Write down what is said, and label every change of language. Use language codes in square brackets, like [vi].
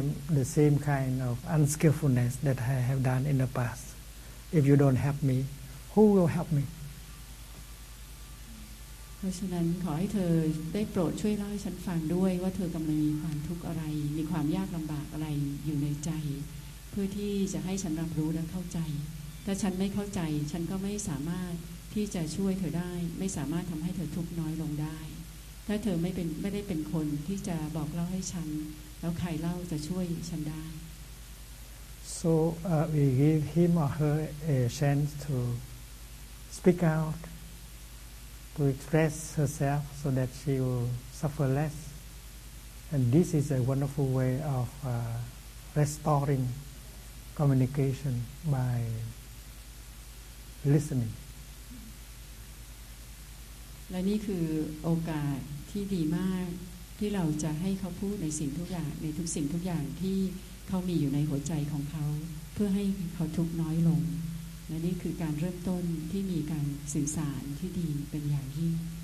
[en] The same kind of unskillfulness that I have done in the past. If you don't help me, who will help me? [th] เพราะฉะนั้นขอให้เธอได้โปรดช่วยเล่าให้ฉันฟังด้วยว่าเธอกำลังมีความทุกข์อะไรมีความยากลำบากอะไรอยู่ในใจเพื่อที่จะให้ฉันรับรู้และเข้าใจถ้าฉันไม่เข้าใจฉันก็ไม่สามารถที่จะช่วยเธอได้ไม่สามารถทำให้เธอทุกข์น้อยลงได้ถ้าเธอไม่ได้เป็นคนที่จะบอกเล่าให้ฉันแล้วใครเล่าจะช่วยฉันได้ [en] So we give him or her a chance to speak out, to express herself so that she will suffer less. And this is a wonderful way of restoring communication by listening. [th] และนี่คือโอกาสที่ดีมากที่เราจะให้เขาพูดในสิ่งทุกอย่างในทุกสิ่งทุกอย่างที่เขามีอยู่ในหัวใจของเขาเพื่อให้เขาทุกข์น้อยลงและนี่คือการเริ่มต้นที่มีการสื่อสารที่ดีเป็นอย่างยิ่ง